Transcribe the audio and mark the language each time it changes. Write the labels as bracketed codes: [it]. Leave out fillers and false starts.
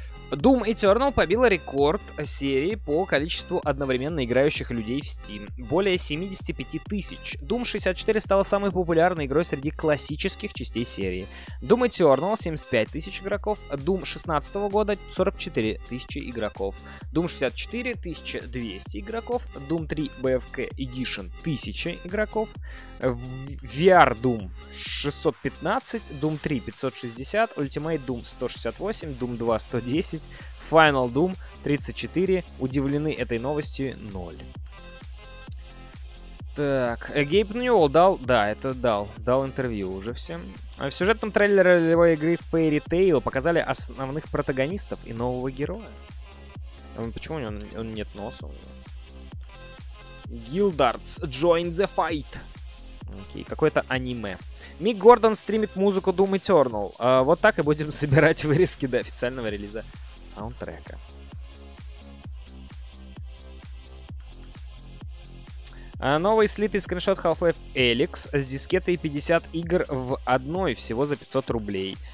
[ru] Doom Eternal побила рекорд серии по количеству одновременно играющих людей в Steam. Более 75 тысяч. Doom 64 стала самой популярной игрой среди классических частей серии. Doom Eternal 75 тысяч игроков. Doom 16 года 44 тысячи игроков. Doom 64 1200 игроков. Doom 3 BFK Edition 1000 игроков. VR Doom 615. Doom 3 560. Ultimate Doom 168. Doom 2 110. Final Doom 34. Удивлены этой новостью 0. Так, Gabe Newell дал... Да, это дал. Дал интервью уже всем. В сюжетном трейлере ролевой игры Fairy Tail показали основных протагонистов и нового героя. Почему у него он нет носа? [en] Guildards, join the fight! [ru] Окей, какое-то аниме. Мик Гордон стримит музыку Doom Eternal. Вот так и будем собирать вырезки до официального релиза саундтрека. Новый слитый скриншот Half-Life Alyx с дискетой 50 игр в одной всего за 500 рублей.